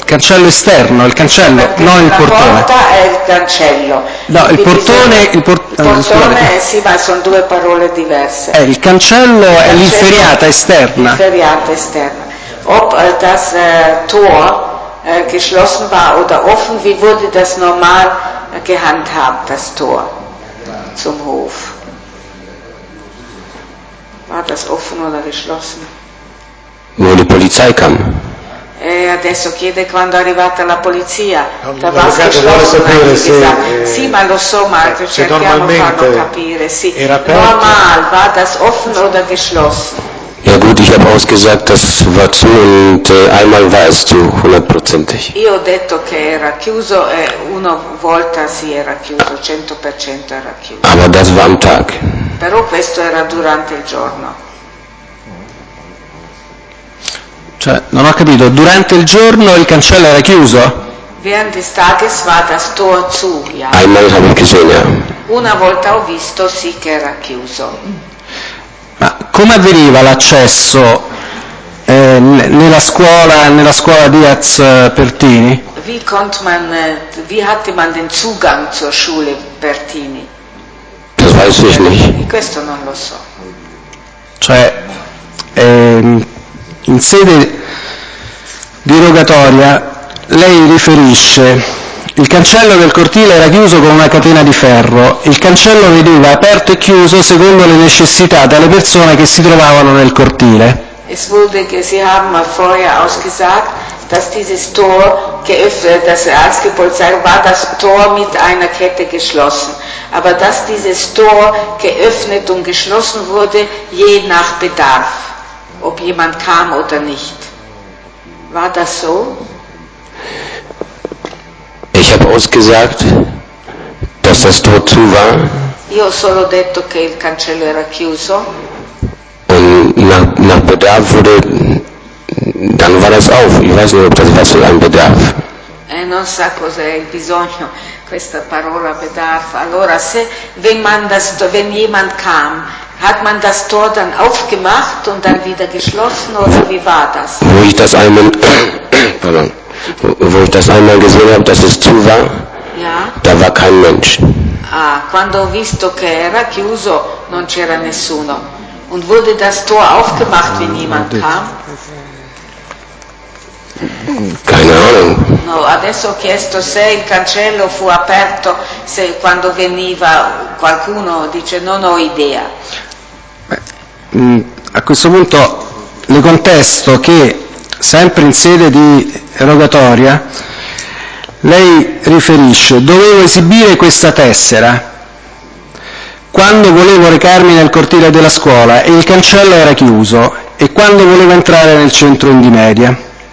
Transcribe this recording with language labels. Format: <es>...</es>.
<it>Cancello esterno, il cancello, perché non il portone. La porta è il cancello. No, il portone... ma sono due parole diverse. Il cancello è l'inferiata esterna. L'inferiata esterna.</it> <de>Ob das Tor geschlossen war oder offen, wie wurde das normal gehandhabt, das Tor zum Hof? War das offen oder geschlossen? Nur die Polizei kam.</de> <it>Adesso chiede quando è arrivata la polizia. Da Vasco vuole sapere se sì, ma lo so, ma cerchiamo di farlo capire. Sì. Era aperto.</it> <de>Normal, war das offen oder geschlossen? Ja gut, ich habe ausgesagt, das war zu und einmal war es zu, hundertprozentig.</de> <it>Io ho detto che era chiuso e una volta si era chiuso, 100% era chiuso.</it> <de>Aber das war am Tag.</de> <it>Però questo era durante il giorno. Cioè, non ho capito, durante il giorno il cancello era chiuso?</it> <de>Während des Tages war das Tor zu, ja. Einmal habe ich gesehen, ja.</de> <it>Una volta ho visto, sì, che era chiuso. Ma come avveniva l'accesso nella scuola Diaz Pertini?</it> <de>Wie hatte man den Zugang zur Schule Pertini? Das weiß ich nicht.</de> <it>Questo non lo so. Cioè, in sede di rogatoria lei riferisce: il cancello del cortile era chiuso con una catena di ferro, il cancello veniva aperto e chiuso secondo le necessità delle persone che si trovavano nel cortile.</it> <de>Es wurde, Sie haben vorher ausgesagt, dass dieses Tor geöffnet, dass als die Polizei war das Tor mit einer Kette geschlossen, aber dass dieses Tor geöffnet und geschlossen wurde, je nach Bedarf, ob jemand kam oder nicht. War das so? Ich habe ausgesagt, dass das Tor zu war.</de> <it>Io ho solo detto che il cancello era chiuso.</it> <de>Und nach Bedarf wurde, dann war das auf. Ich weiß nicht, ob das was für ein Bedarf.</de> <it>Non sa cos'è il bisogno, questa parola Bedarf. Allora, se</it> <de>wenn jemand kam, hat man das Tor dann aufgemacht und dann wieder geschlossen oder wie war das? Wo ich das einmal gesehen habe, dass es zu war, ja. Da war kein Mensch.</de> <it>Ah, quando ho visto che era chiuso, non c'era nessuno.</it> <de>Und wurde das Tor aufgemacht, wenn jemand kam? Keine Ahnung.</de> <it>No, adesso ho chiesto se il cancello fu aperto, se quando veniva qualcuno, dice non ho idea. Beh, a questo punto le contesto che sempre in sede di rogatoria lei riferisce: dovevo esibire questa tessera quando volevo recarmi nel cortile della scuola e il cancello era chiuso, e quando volevo entrare nel centro di media.</it>